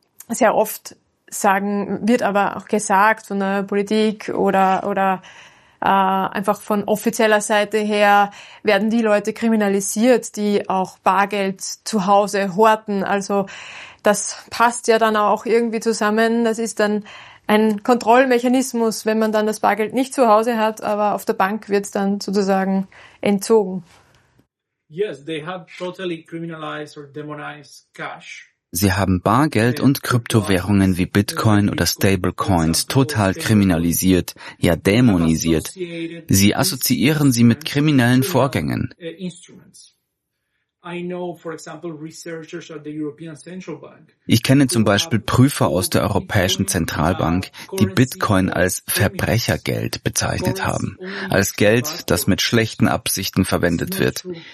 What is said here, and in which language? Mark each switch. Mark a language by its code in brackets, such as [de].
[de] Sehr oft wird aber auch gesagt von der Politik einfach von offizieller Seite her, werden die Leute kriminalisiert, die auch Bargeld zu Hause horten. Also das passt ja dann auch irgendwie zusammen. Das ist dann ein Kontrollmechanismus, wenn man dann das Bargeld nicht zu Hause hat, aber auf der Bank wird es dann sozusagen entzogen. [en] Yes, they have totally criminalized or demonized cash. [de] Sie haben Bargeld und Kryptowährungen wie Bitcoin oder Stablecoins total kriminalisiert, ja dämonisiert. Sie assoziieren sie mit kriminellen Vorgängen. Ich kenne zum Beispiel Prüfer aus der Europäischen Zentralbank, die Bitcoin als Verbrechergeld bezeichnet haben, als Geld, das mit schlechten Absichten verwendet wird.